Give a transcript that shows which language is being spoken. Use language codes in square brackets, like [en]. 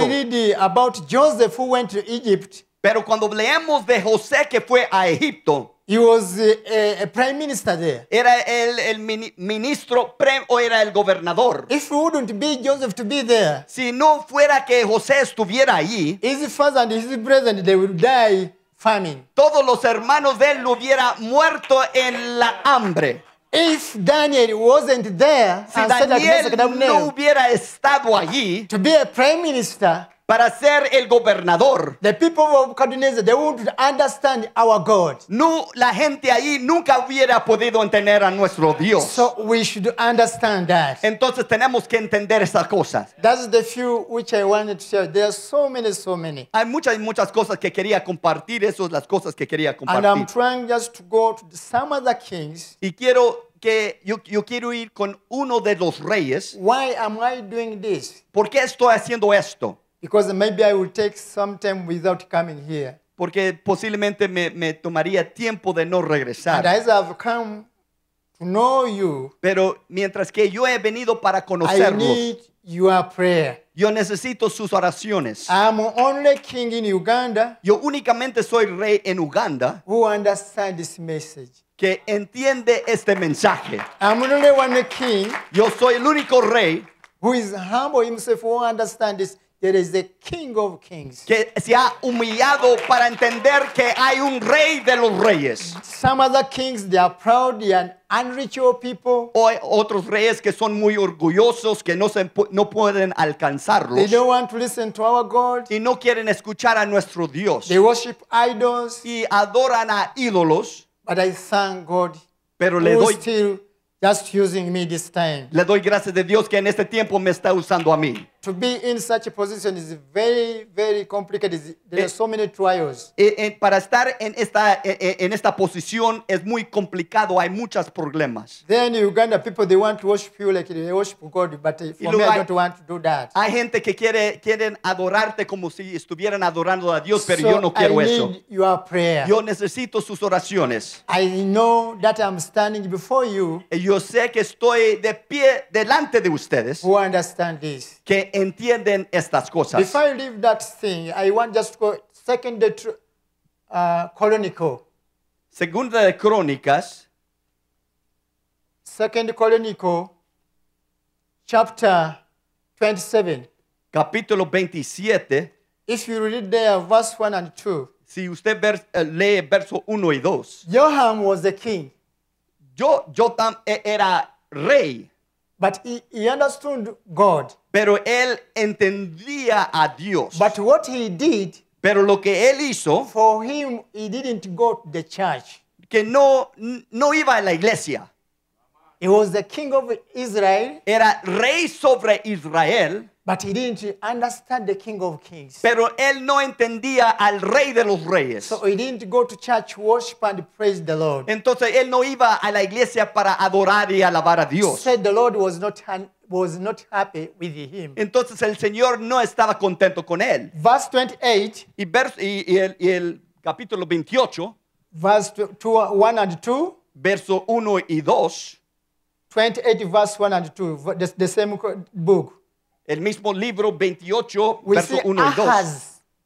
[en] When we read about Joseph who went to Egypt, [es] pero cuando leemos de José que fue a Egipto, [en] he was a prime minister there. [es] Era el ministro o era el gobernador. [en] If it wouldn't be Joseph to be there, [es] si no fuera que José estuviera allí, [en] his father and his brethren, they would die famine. [es] Todos los hermanos de él lo hubiera muerto en la hambre. [en] If Daniel wasn't there, [es] si Daniel no hubiera estado allí, [en] to be a prime minister, [es] para ser el gobernador, [en] the people of Nebuchadnezzar, they wouldn't understand our God. [es] No, la gente ahí nunca hubiera podido entender a nuestro Dios. [en] So we should understand that. [es] Entonces tenemos que entender esas cosas. [en] That's the few which I wanted to share. There are so many, so many. [es] Hay muchas, muchas cosas que quería compartir. Esas son las cosas que quería compartir. [en] And I'm trying just to go to some other kings. [es] Y quiero que yo quiero ir con uno de los reyes. [en] Why am I doing this? [es] ¿Por qué estoy haciendo esto? [en] Because maybe I will take some time without coming here. [es] Porque posiblemente me tomaría tiempo de no regresar. [en] And as I've come to know you, [es] pero mientras que yo he venido para conocerlos, [en] I need your prayer. [es] Yo necesito sus oraciones. [en] I'm only king in Uganda. [es] Yo únicamente soy rey en Uganda. [en] Who understands this message? [es] Que entiende este mensaje. [en] I'm only one king. [es] Yo soy el único rey. [en] Who is humble himself? Who understands this? There is the King of Kings. [es] Que se ha humillado para entender que hay un rey de los reyes. [en] Some other kings, they are proud and unreachable people. [es] O otros reyes que son muy orgullosos, que no pueden alcanzarlos. [en] They don't want to listen to our God. [es] Y no quieren escuchar a nuestro Dios. [en] They worship idols. [es] Y adoran a ídolos. [en] But I thank God. [es] Pero le doy [en] still just using me this time. [es] Le doy gracias de Dios que en este tiempo me está usando a mí. [en] To be in such a position is very, very complicated. There are so many trials. [es] Para estar en esta posición es muy complicado. Hay muchos problemas. [en] Then Uganda people, they want to worship you like they worship God, but for me, I don't want to do that. [es] Hay gente que quieren adorarte como si estuvieran adorando a Dios, pero yo no quiero eso. [en] So I need your prayer. [es] Yo necesito sus oraciones. [en] I know that I'm standing before you. [es] Yo sé que estoy de pie delante de ustedes. [en] Who understand this? [es] Que entienden estas cosas. [en] Before I leave that thing, I want just to go second the chronicle. [es] Segunda de Crónicas. [en] Second Chronicle, chapter 27. [es] Capítulo 27. [en] If you read there verse 1 and 2. [es] Si usted lee verso 1 y 2. [en] Joram was the king. [es] Jotam era rey. [en] But he understood God. [es] Pero él entendía a Dios. [en] But what he did, [es] pero lo que él hizo, [en] for him, he didn't go to the church. [es] Que no iba a la iglesia. [en] He was the king of Israel. [es] Era rey sobre Israel. [en] But he didn't understand the King of Kings. [es] Pero él no entendía al rey de los reyes. [en] So he didn't go to church, worship and praise the Lord. [es] Entonces él no iba a la iglesia para adorar y alabar a Dios. [en] Said the Lord was not happy with him. [es] Entonces el Señor no estaba contento con él. [en] Verse 28. [es] Y el capítulo 28. [en] Verse 1 and 2. 28 verse 1 and 2. The same book. [es] El mismo libro 28, verso 1 y 2.